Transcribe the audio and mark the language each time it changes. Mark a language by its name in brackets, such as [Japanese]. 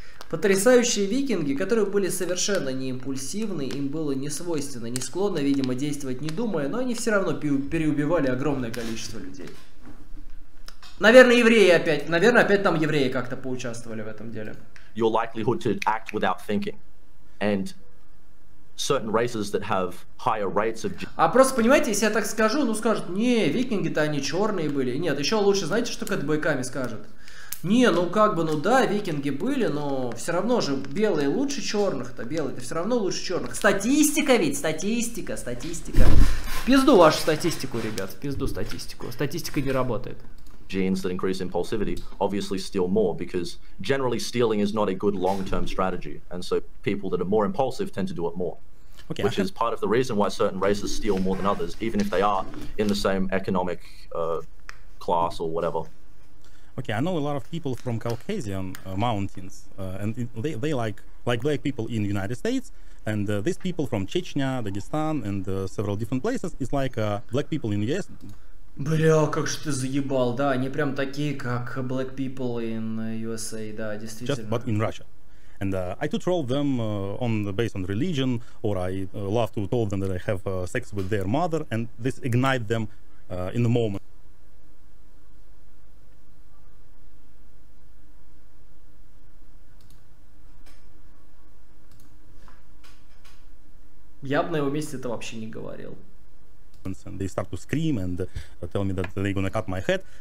[Russian] Потрясающие викинги, которые были совершенно не импульсивны, им было не свойственно, не склонно, видимо, действовать не думая, но они все равно переубивали огромное количество людей. Наверное, евреи опять. Наверное, опять там евреи как-то поучаствовали в этом деле. [English] Your likelihood to act without thinking. And certain races that have higher rates of... [Russian] А просто понимаете, если я так скажу, ну скажут, не, викинги-то они черные были. Нет, еще лучше, знаете, что как-то бойками скажут? Не, ну как бы, ну да, викинги были, но все равно же белые лучше черных-то, белые-то все равно лучше черных. Статистика ведь, статистика, статистика. Пизду вашу статистику, ребят, пизду статистику. Статистика не работает. [English] Genes that increase impulsivity obviously steal more because generally stealing is not a good long-term strategy, and so people that are more impulsive tend to do it more, okay, which is part of the reason why certain races steal more than others, even if they are in the same economic class or whatever. Okay, I know a lot of people from Caucasian mountains, and they like black people in the United States, and these people from Chechnya, Dagestan, and several different places is like black people in the US. [Russian] Бля, как же ты заебал, да, они прям такие, как [English] black people in USA, [Russian] да, действительно. [English] Just but in Russia. And I to troll them on the, based on religion, or I love to tell them that I have sex with their mother, and this ignite them in the moment. [Russian] Я бы на его месте это вообще не говорил. [English] And they start to scream and tell me that they're gonna cut my head.